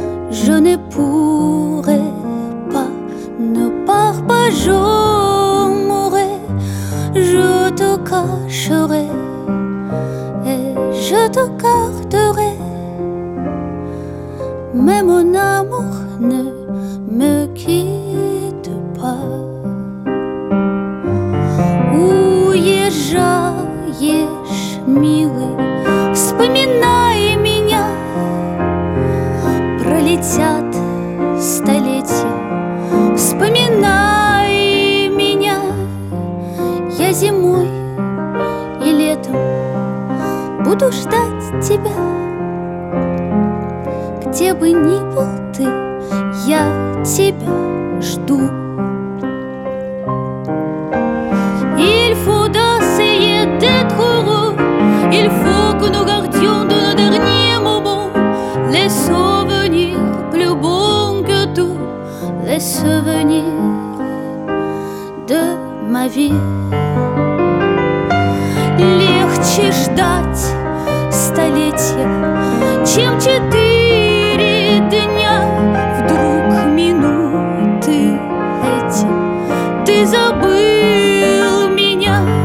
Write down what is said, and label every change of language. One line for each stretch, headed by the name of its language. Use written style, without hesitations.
French: Je ne pourrai pas, ne pars pas, je mourrai, je te cacherai et je te garderai. Mais mon amour ne me quitte pas.
Russian: Уезжаешь, милый, вспоминай меня. Пролетят столетия, вспоминай меня. Я зимой и летом буду ждать тебя. Где бы ни был ты, я тебя жду.
French: Il faut d'essayer d'être heureux. Il faut que nous gardions de nos derniers moments les souvenirs plus bons que tout, les souvenirs de ma vie.
Russian: Легче ждать столетия, чем четыре дня. Вдруг минуты эти ты забыл меня.